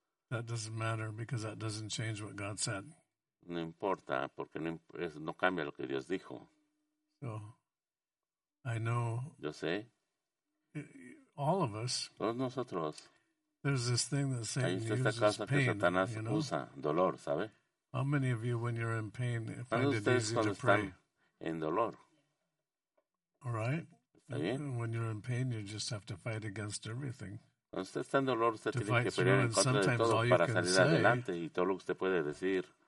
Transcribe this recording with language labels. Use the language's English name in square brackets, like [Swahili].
[English] That doesn't matter because that doesn't change what God said. [Spanish] No importa, porque no cambia lo que Dios dijo. [English] So, I know, [Spanish] yo sé. [English] All of us. [Spanish] Todos nosotros. [English] There's this thing that Satan [Spanish] hay esta cosa [English] pain, [Spanish] que Satanás [English] you know? [Spanish] Usa, dolor, ¿sabe? [English] How many of you, when you're in pain, find it easy to pray? [Spanish] En dolor. [English] All right. [Spanish] ¿Está bien? [English] When you're in pain, you just have to fight against everything. [Spanish] Cuando usted está en dolor, usted tiene que pelear en contra de todo para salir adelante y todo lo que usted puede decir.